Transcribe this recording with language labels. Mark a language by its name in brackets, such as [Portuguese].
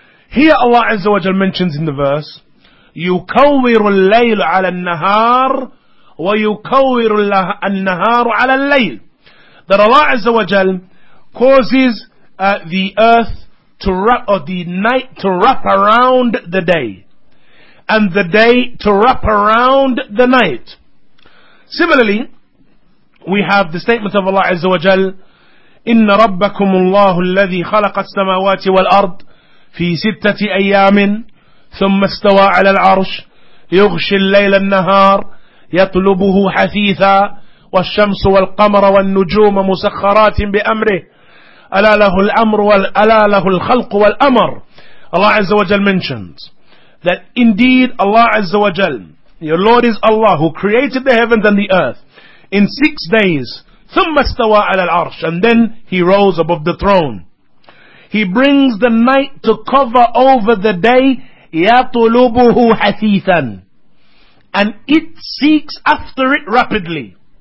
[English] Here Allah Azza wa Jalla mentions in the verse, [Arabic] يُكَوِّرُ اللَّيْلُ عَلَى النَّهَارُ وَيُكَوِّرُ النَّهَارُ عَلَى اللَّيْلِ. [English] That Allah Azza wa Jal causes the earth to wrap, or the night to wrap around the day, and the day to wrap around the night. Similarly, we have the statement of Allah Azza wa Jal, [Arabic] إِنَّ رَبَّكُمُ اللَّهُ الَّذِي خَلَقَ السَّمَاوَاتِ وَالْأَرْضِ فِي سِتَّةِ أَيَّامٍ ثُمَّ اسْتَوَى عَلَى الْعَرْشِ يُغْشِي اللَّيْلَ النَّهَارِ يطلبه حثيثا والشمس والقمر والنجوم مسخرات بأمره ألا له الأمر ألا له الخلق والأمر. [English] Allah Azza wa Jal mentions that indeed Allah Azza wa Jal, your Lord is Allah who created the heavens and the earth in 6 days, [Arabic] ثم استوى على العرش, [English] and then He rose above the throne. He brings the night to cover over the day, [Arabic] يطلبه حثيثا, [English] and it seeks after it rapidly.